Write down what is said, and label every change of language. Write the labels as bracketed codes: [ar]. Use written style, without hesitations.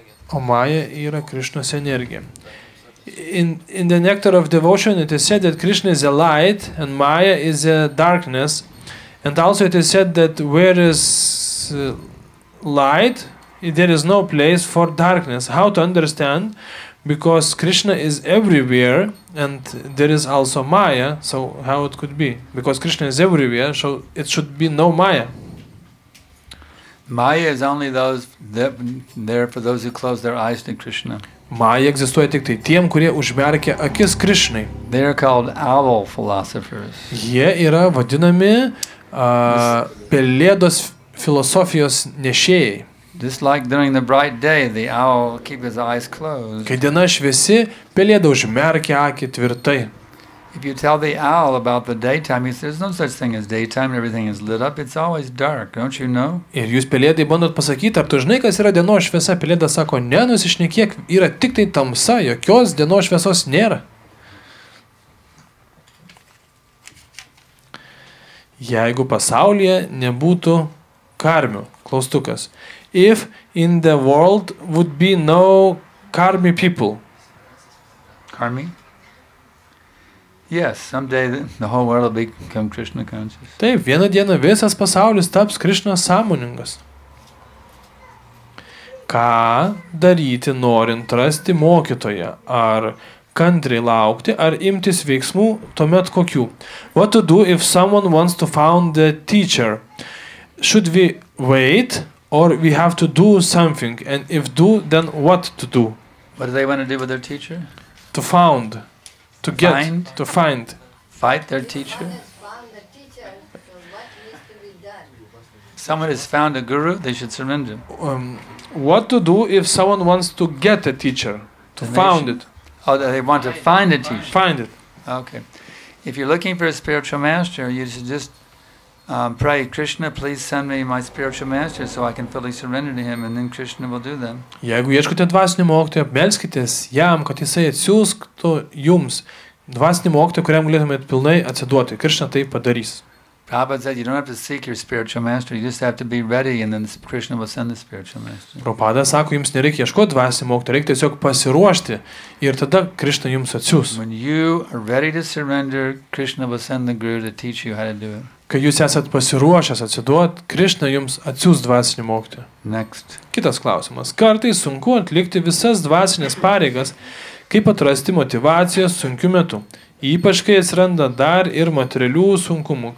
[lt] O Maja yra Krišnos energija. [en] In the Nectar of Devotion, it is said that Krishna is a light and Maya is a darkness. And also it is said that where is light, there is no place for darkness. How to understand? Because Krishna is everywhere and there is also Maya. So how it could be? Because Krishna is everywhere, so it should be no Maya. Maya is only there for those who close their eyes to Krishna. [lt] Maja egzistuoja tik tai tiem, kurie užmerkia akis Krišnai. [en] They are called owl philosophers. [lt] Jie yra vadinami pelėdos filosofijos nešėjai. [en] Just like during the bright day, the owl keeps his eyes closed. [lt] Kai diena šviesi, pelėda užmerkia akį tvirtai. [en] If you tell the owl about the daytime, he says there's no such thing as daytime, everything is lit up, it's always dark, don't you know? [lt] Ir jūs pelėdai bandot pasakyti, ar tu žinai, kas yra dienos šviesa? Pelėda sako, ne, nusišnekiek, yra tik tai tamsa, jokios dienos šviesos nėra. Jeigu pasaulyje nebūtų karmių, klaustukas. [en] If in the world would be no karmi people. Karmi? Yes, someday the whole world will become Krishna conscious. [lt] Taip, vieną dieną visas pasaulis taps Krishna sąmoningas. Ką daryti, norint rasti mokytoją? Ar kantriai laukti, ar imtis veiksmų, tuomet kokių? [en] What to do if someone wants to find the teacher? Should we wait or we have to do something? And if do, then what to do? What do they want to do with their teacher? To found. To get, find, to find. Fight their teacher. Someone has found a guru, they should surrender. What to do if someone wants to get a teacher? To then found it. Oh, they want to find a teacher. Find it. Okay. If you're looking for a spiritual master, you should just pray, Krishna, please send me my spiritual master so I can fully surrender to him and then Krishna will do them. [lt] Jeigu ieškote dvasinio mokytojo, melskitės jam, kad jisai atsiųstų jums dvasinį mokytoją, kuriam galėtumėt pilnai atsiduoti. Krishna tai padarys. [en] Prabhupada said, you don't have to seek your spiritual master, you just have to be ready and then Krishna will send the spiritual master. [lt] Prabhupada sako, jums nereikia ieškoti dvasinio mokytojo, reikia tiesiog pasiruošti ir tada Krishna jums atsiųs. [en] When you are ready to surrender, Krishna will send the guru to teach you how to do it. [lt] Kai jūs esat pasiruošęs atsiduot, Krishna jums atsiūs dvasinį mokytoją. [en] Next. [lt] Kitas klausimas. Kartais sunku atlikti visas dvasinės pareigas, kaip atrasti motivaciją sunkiu metu. Ypač, kai atsiranda dar ir materialių sunkumų.